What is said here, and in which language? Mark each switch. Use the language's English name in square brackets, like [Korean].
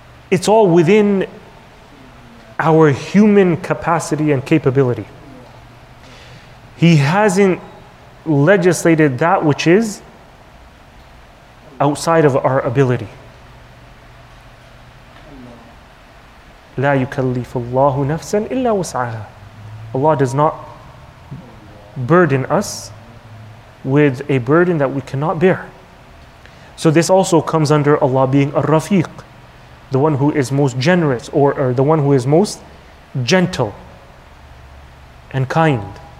[English] It's all within our human capacity and capability. He hasn't legislated that which is outside of our ability. [Arabic] لا يكلف الله نفسا إلا وسعها. [English] Allah does not burden us with a burden that we cannot bear. So this also comes under Allah being Ar-Rafiq, the one who is most generous, or the one who is most gentle and kind.